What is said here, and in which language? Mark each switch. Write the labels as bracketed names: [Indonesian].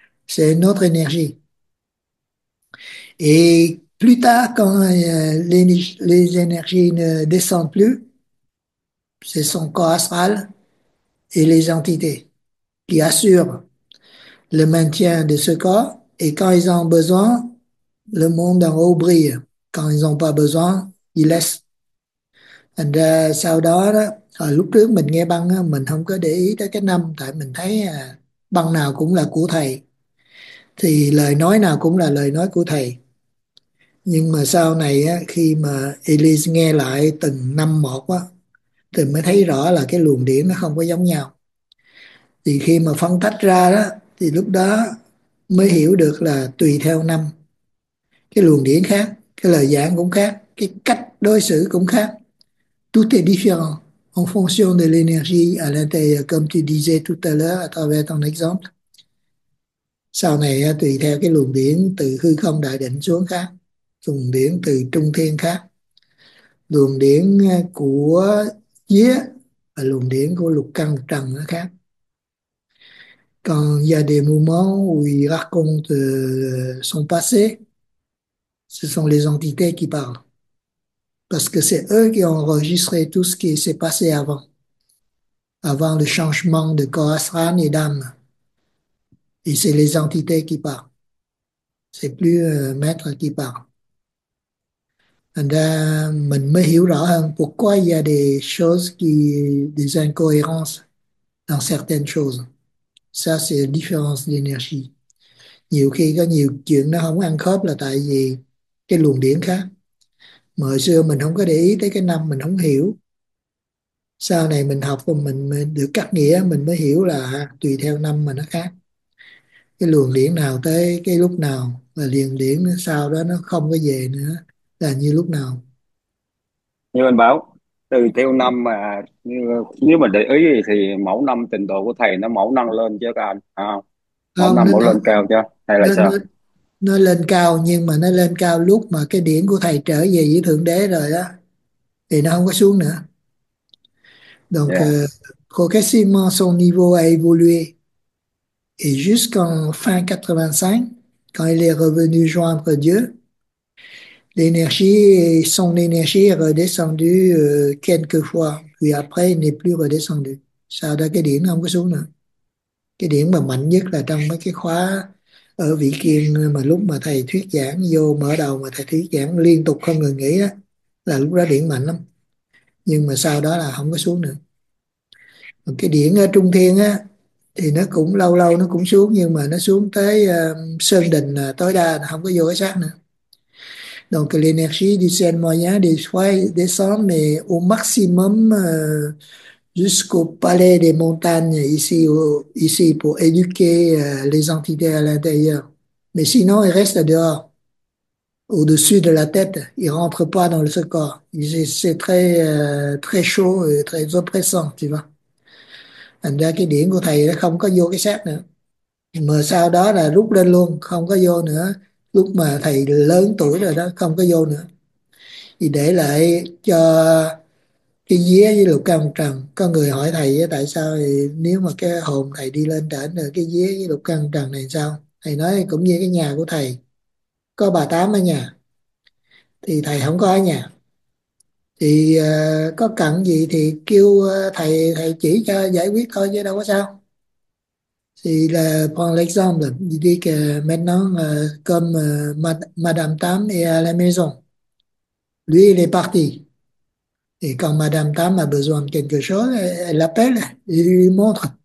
[French] C'est une autre énergie. Et plus tard, quand les énergies ne descendent plus, c'est son corps astral et les entités qui assurent le maintien de ce corps. Et quand ils ont besoin, le monde en haut brille. Quand ils n'ont pas besoin, ils laissent. [Vietnamese] Sau đó, lúc trước mình nghe băng, mình không có để ý tới cái năm, tại mình thấy băng nào cũng là của thầy. Thì lời nói nào cũng là lời nói của thầy. Nhưng mà sau này khi mà Elise nghe lại từng năm một á, thì mới thấy rõ là cái luồng điển nó không có giống nhau. Thì khi mà phân tách ra đó, thì lúc đó mới hiểu được là tùy theo năm, cái luồng điển khác, cái lời giảng cũng khác, cái cách đối xử cũng khác. [French] Tout est différent en fonction de l'énergie à l'intérieur, comme tu disais tout à l'heure à travers ton exemple. [Vietnamese] Sau này tùy theo cái luồng điển từ hư không đại định xuống khác, luồng điển từ trung thiên khác, luồng điển của vía và luồng điển của lục căn trần nó khác. Còn [French] il y a des moments où il raconte son passé, ce sont les entités qui parlent. Parce que c'est eux qui ont enregistré tout ce qui s'est passé avant, avant le changement de corps astral et d'âme. Et c'est les entités qui parlent. C'est plus maître qui parle. [Vietnamese] Mình mới hiểu rõ hơn [French] pourquoi il y a des choses qui, des incohérences dans certaines choses. Ça, c'est la différence d'énergie. [Vietnamese] Nhiều khi có nhiều chuyện nó không ăn khớp là tại vì cái luồng điển khác. Mà hồi xưa mình không có để ý tới cái năm, mình không hiểu. Sau này mình học và mình được cắt nghĩa, mình mới hiểu là tùy theo năm mà nó khác. Cái luồng điển nào tới cái lúc nào và liền điển sau đó nó không có về nữa là như lúc nào. Như anh báo từ theo năm mà nếu mà để ý thì mẫu năm trình độ của thầy nó mẫu nâng lên chứ các anh à, mẫu Không, năm mẫu lên cao chứ hay là sao? nó lên cao, nhưng mà nó lên cao lúc mà cái điển của thầy trở về với Thượng Đế rồi đó thì nó không có xuống nữa. [French] Donc progressivement son niveau a évolué et jusqu'en fin 85 quand il est revenu joindre Dieu, l'énergie, son énergie est redescendue quelquefois, puis après il n'est plus redescendu. [Vietnamese] Sau đó cái điển không có xuống nữa. Cái điểm mà mạnh nhất là trong mấy cái khóa ở vị kiên, mà lúc mà thầy thuyết giảng vô mở đầu mà thầy thuyết giảng liên tục không ngừng nghỉ á, là lúc đó điểm mạnh lắm, nhưng mà sau đó là không có xuống nữa. Còn cái điểm ở trung thiên á thì nó cũng lâu lâu nó cũng xuống, nhưng mà nó xuống tới sơn đỉnh tối đa là không có vô cái xác nữa. [French] Donc l'énergie du ciel moyen des fois descend mais au maximum jusqu'au palais des montagnes, ici, pour éduquer les entités à l'intérieur. Mais sinon, ils restent dehors, au-dessus de la tête. Ils rentrent pas dans ce corps. C'est très, très chaud et très oppressant, tu vois. [Vietnamese] Thành ra cái điển của thầy nó không có vô cái xác nữa. Mà sau đó là rút lên luôn, không có vô nữa. Lúc mà thầy lớn tuổi rồi đó, không có vô nữa. Thì để lại cho cái vía với lục căn trần. Có người hỏi thầy tại sao thì nếu mà cái hồn thầy đi lên trển rồi, cái vía với lục căn trần này sao? Thầy nói cũng như cái nhà của thầy có bà tám ở nhà thì thầy không có ở nhà, thì có cần gì thì kêu thầy, thầy chỉ cho giải quyết thôi chứ đâu có sao. Thì là [French] pour l'exemple, il dit que maintenant comme Madame Tam est à la maison, lui il est parti. Et quand Madame Tam a besoin de quelque chose, elle l'appelle, il lui montre.